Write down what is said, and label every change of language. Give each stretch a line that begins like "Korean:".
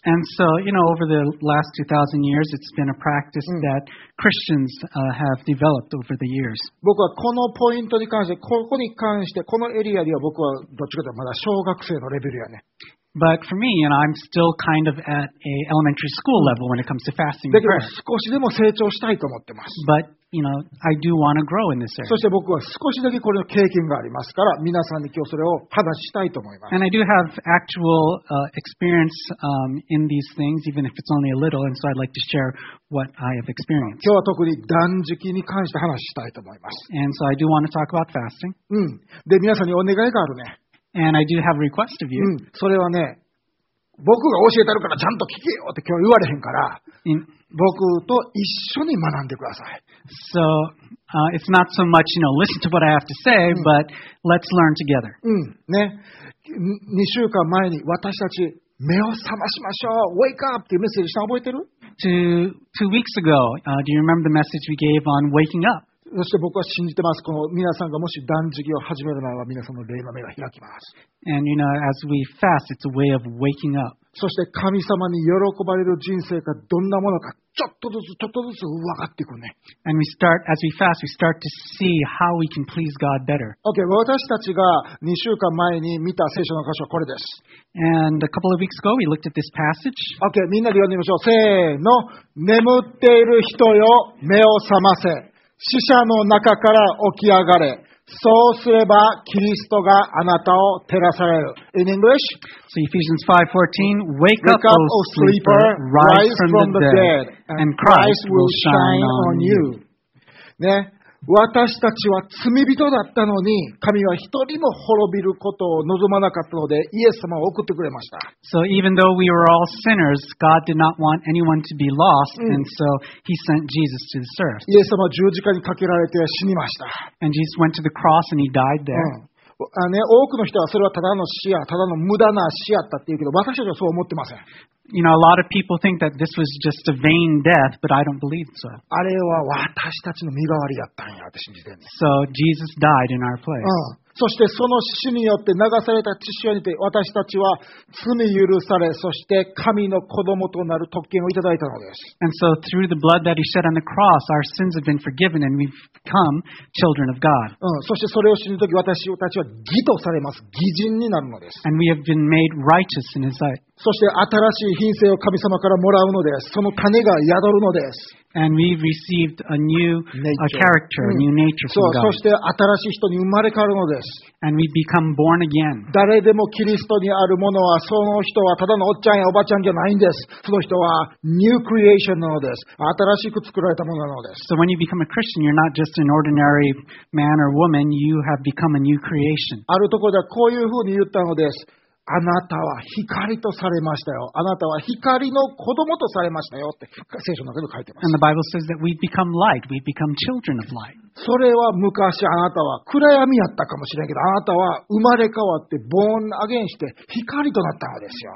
English: And so, you know, over the last 2,000 years, it's been a practice that Christians have developed over the years.
Japanese: 僕はこのポイントに関して、ここに関して、このエリアでは僕はどっちかというとまだ小学生のレベルやね。
English: But for me, you know, I'm still kind of at a elementary school level when it comes to fasting and prayer.
Japanese: 少しでも成長したいと思ってます。
English: But, you know, I do want to grow in this area.
Japanese: そして僕は少しだけこれの経験がありますから、皆さんに今日それを話したいと思います。
English: And I do have actual experience in these things, even if it's only a little, and so I'd like to share what I have experienced.
Japanese: 今日は特に断食に関して話したいと思います。
English: And so I do want to talk about fasting.
Japanese: で、皆さんにお願いがあるね。
English: And I do have a request of you.
Japanese: それはね、僕が教えてるからちゃんと聞けよって今日言われへんから、僕と一緒に学んでください。
English: So, it's not so much, you know, listen to what I have to say, but let's learn together.
Japanese: ね、2週間前に私たち目を覚ましましょう、
English: wake up
Japanese: っていうメッセージしたの覚えてる？
English: Two weeks ago, do you remember the message we gave on waking up?
Japanese: そして僕は信じてます。この皆さんがもし断食を始める前は皆さんの霊の目が開きます。
English: And you know, as we fast, it's a way of waking up.
Japanese: そして神様に喜ばれる人生がどんなものか、ちょっとずつちょっとずつ分かっていくね。
English: And we start, as we fast, we start to see how we can please God better.
Japanese: Okay, 私たちが2週間前に見た聖書の箇所はこれです。
English: And a couple of weeks ago, we looked at this passage.
Japanese: Okay, みんなで読んでみましょう。せーの。眠っている人よ、目を覚ませ。死者の中から起き上がれ。そうすればキリストがあなたを照らされる。
English: In English? So Ephesians 5:14, wake up, O sleeper, rise from the dead, and Christ will shine on you.
Japanese: ね。私たちは罪人だったのに、神は一人も滅びることを望まなかったので、イエス様を送ってくれました。
English: So even though we were all sinners, God did not want anyone to be lost, and so He sent Jesus to this earth.
Japanese: イエス様は十字架にかけられて死にました。
English: And Jesus went to the cross and He died there.
Japanese: ね、多くの人はそれはただの死や、ただの無駄な死やったっていうけど、私たちはそう思ってません。
English: You know, a lot of people think that this was just a vain death, but I don't believe so.
Japanese: あれは私たちの身代わりやったんや、私信じてんね。
English: So Jesus died in our place. うん。
Japanese: そしてその死によって流された血潮によって私たちは罪許され、そして神の子供となる特権をいただいたのです。
English: And so through the blood that he shed on the cross, our sins have been forgiven and we've become children of God. うん。
Japanese: そしてそれを死ぬとき私たちは義とされます。義人になるのです。
English: And we have been made righteous in his sight.
Japanese: そして新しい品性を神様からもらうのです。その種が宿るのです。
English: And we received a new character, a new nature from God.
Japanese: そう、そして新しい人に生まれ変わるのです。
English: And we become born again.
Japanese: 誰でもキリストにあるものは、その人はただのおっちゃんやおばちゃんじゃないんです。その人は
English: new creation
Japanese: なのです。新しく作られたものなのです。
English: So when you become a Christian, you're not just an ordinary man or woman, you have become a new creation.
Japanese: あるところではこういうふうに言ったのです。あなたは光とされましたよ。あなたは光の子供とされましたよって聖書の中で書いてます。
English: And the Bible says that we've become light. We've become children of light.
Japanese: それは昔あなたは暗闇やったかもしれないけど、あなたは生まれ変わって
English: born again
Japanese: して光となったのですよ。